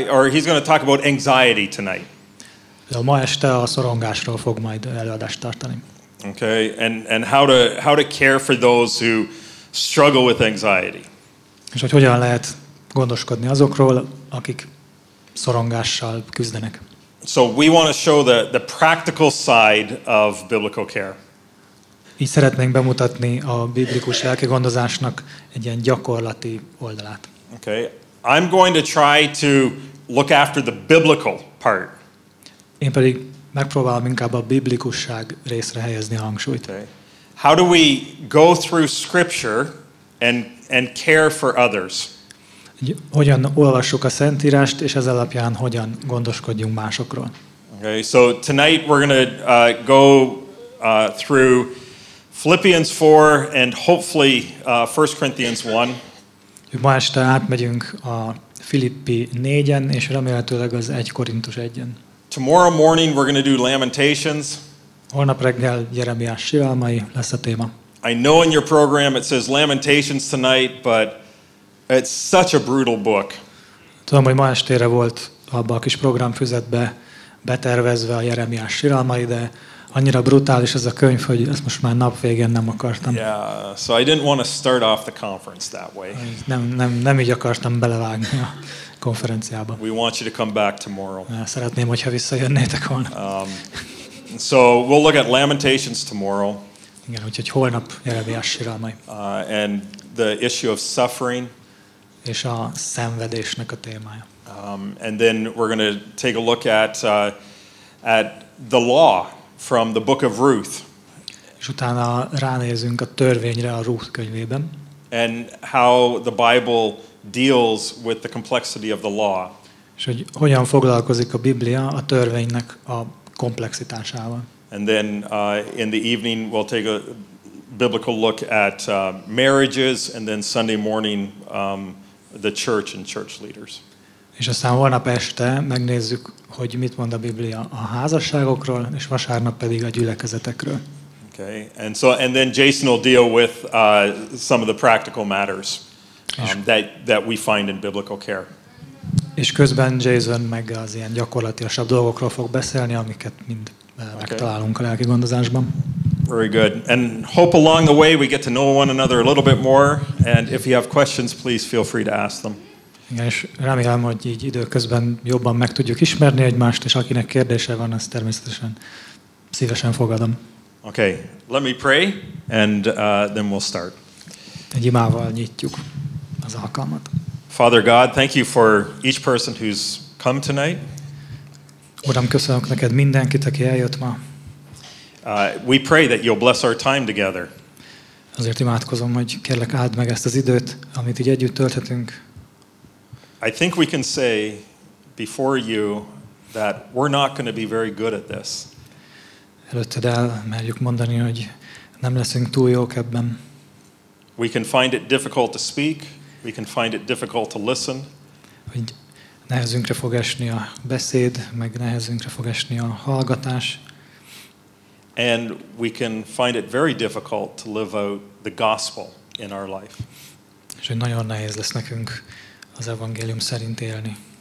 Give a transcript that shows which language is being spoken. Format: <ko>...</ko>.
<en>He's going to talk about anxiety tonight.</en> <hu>De ma este a szorongásról fog majd előadást tartani.</hu> <en>Okay, and how to care for those who struggle with anxiety.</en> <hu>És hogy hogyan lehet gondoskodni azokról, akik szorongással küzdenek.</hu> <en>So we want to show the practical side of biblical care.</en> <hu>Így szeretnénk bemutatni a biblikus lelkigondozásnak egy ilyen gyakorlati oldalát.</hu> <en>Okay. I'm going to try to look after the biblical part.</en> <hu>Én pedig megpróbálom inkább a biblikusság részre helyezni a hangsúlyt.</hu> <en>Okay. How do we go through scripture and care for others?</en> <hu>Hogyan olvassuk a Szentírást, és ez alapján hogyan gondoskodjunk másokról?</hu> <en>Okay, so tonight we're going to go through Philippians 4 and hopefully 1 Corinthians 1.</en> <hu>Ma este átmegyünk a Filippi 4-en, és remélhetőleg az 1 Korintus 1-en.</hu> <en>Tomorrow morning we're going to do Lamentations.</en> <hu>Holnap reggel Jeremiás sírálmai lesz a téma.</hu> <en>I know in your program it says Lamentations tonight, but It's such a brutal book.</en> <hu>Tudom, hogy ma estére volt abba a kis programfüzetbe betervezve a Jeremiás síralmai, de annyira brutális ez a könyv, hogy ezt most már nap végén nem akartam.</hu> <en>Yeah, so I didn't want to start off the conference that way.</en> <hu>Nem így akartam belevágni a konferenciába.</hu> <en>We want you to come back tomorrow.</en> <hu>Szeretném, hogyha visszajönnétek volna.</hu> <en>So we'll look at Lamentations tomorrow.</en> <hu>Igen, úgyhogy holnap Jeremiás síralmai.</hu> <en>And the issue of suffering.</en> <hu>És a szenvedésnek a témája.</hu> <en>And then we're going to take a look at the law from the book of Ruth.</en> <hu>És utána ránézünk a törvényre a Ruth könyvében.</hu> <en>And how the Bible deals with the complexity of the law.</en> <hu>És hogy hogyan foglalkozik a Biblia a törvénynek a komplexitásával.</hu> <en>And then in the evening we'll take a biblical look at marriages, and then Sunday morning the church and church leaders.</en> <hu>És aztán holnap este megnézzük, hogy mit mond a Biblia a házasságokról, és vasárnap pedig a gyülekezetekről.</hu> <en>Okay. And so and then Jason will deal with some of the practical matters that we find in biblical care.</en> <hu>És közben Jason meg az ilyen gyakorlatilasabb dolgokról fog beszélni, amiket mind megtalálunk a lelki gondozásban.</hu> <en>Very good. And hope along the way we get to know one another a little bit more, and if you have questions, please feel free to ask them.</en> <hu>Igen, és remélem, hogy így időközben jobban meg tudjuk ismerni egymást, és akinek kérdése van, az természetesen szívesen fogadom.</hu> <en>Okay, let me pray, and then we'll start.</en> <hu>Egy imával nyitjuk az alkalmat.</hu> <en>Father God, thank you for each person who's come tonight.</en> <hu>Uram, köszönök neked mindenkit, aki eljött ma.</hu> <en>We pray that you'll bless our time together.</en> <hu>Azért imádkozom, hogy kérlek áld meg ezt az időt, amit így együtt tölthetünk.</hu> <en>I think we can say before you that we're not going to be very good at this.</en> <hu>Előtted elmerjük mondani, hogy nem leszünk túl jók ebben.</hu> <en>We can find it difficult to speak. We can find it difficult to listen.</en> <hu>Hogy nehezünkre fog esni a beszéd, meg nehezünkre fog esni a hallgatás.</hu> <en>And we can find it very difficult to live out the gospel in our life.</en> <hu>És hogy nagyon nehéz lesz nekünk az evangélium szerint élni.</hu>